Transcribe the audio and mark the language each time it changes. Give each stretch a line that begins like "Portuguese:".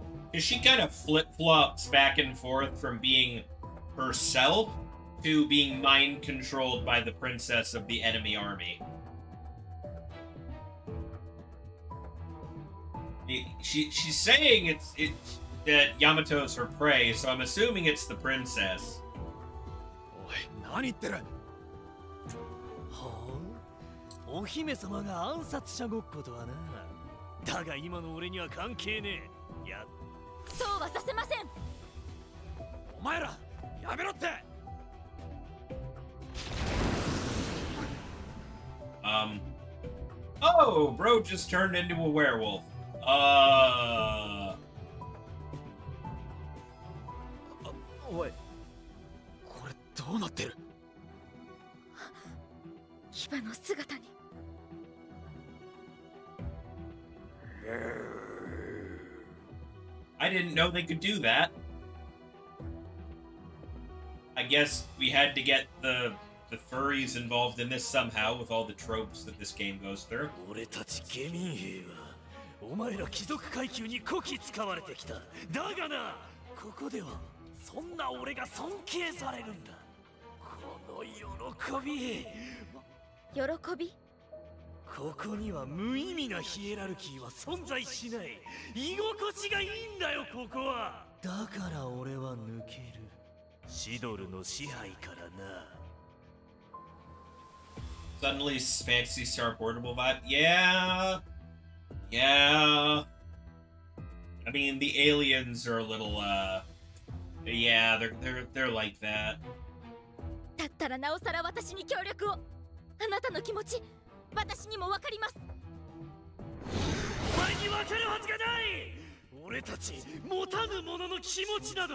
English: Because she kind of flip-flops back and forth from being herself to being mind-controlled by the princess of the enemy army. She's saying it's that Yamato's her prey, so I'm assuming it's the princess.
Japanese: Oi, nani ittere? お姫様が暗殺者ごっことはな。だが今の俺には関係ねえ。や、そうはさせません。お前ら、やめろって。
English: Oh, bro just turned into a werewolf.
Japanese: あ、おい、これどうなってる？牙の姿に。
English: I didn't know they could do that. I guess we had to get the furries involved in this somehow with all the tropes that this game goes through.
Japanese: 俺たち下民兵はお前ら貴族階級にこき使われてきた。だがな、ここではそんな俺が尊敬されるんだ。この喜び。喜び？ここには無意味なヒエラルキーは存在しない。居心地がいいんだよここは。だから俺は抜ける。シドルの支配からな。
English: Suddenly Fantasy Star Portable vibe. Yeah. Yeah. I mean the aliens are a little Yeah, they're like that.
Japanese: だったらなおさら私に協力を。あなたの気持ち私にも分かります。お前に分かるはずがない。俺たち持たぬ者の気持ちなど。